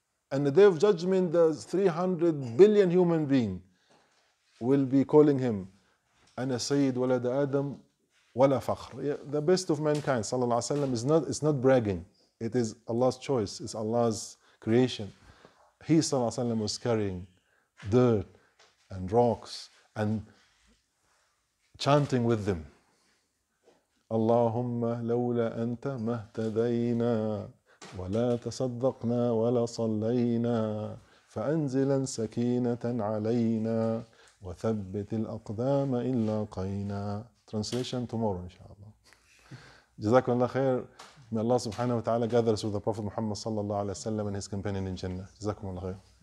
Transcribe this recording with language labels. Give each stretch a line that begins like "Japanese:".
English: And the day of judgment, the 300 billion human being will be calling him,
Arabic: Ana Sayyid Walad Adam Wala Fakhr.
English: The best of mankind, sallallahu alayhi wa sallam, is not bragging. It is Allah's choice, it's Allah's creation. He, sallallahu alayhi wa sallam, was carrying dirt and rocks and chanting with them.
Arabic: اللهم لولا أنت ما اهتدينا ولا تصدقنا ولا صلينا فأنزل سكينة علينا وثبت الأقدام إن لاقينا.
English: Translation tomorrow, inshallah.
Arabic: جزاكم الله خير.
English: May Allah subhanahu wa ta'ala gather us with the Prophet Muhammad sallallahu alayhi wa sallam and his companion in Jannah.
Arabic: جزاكم الله خير.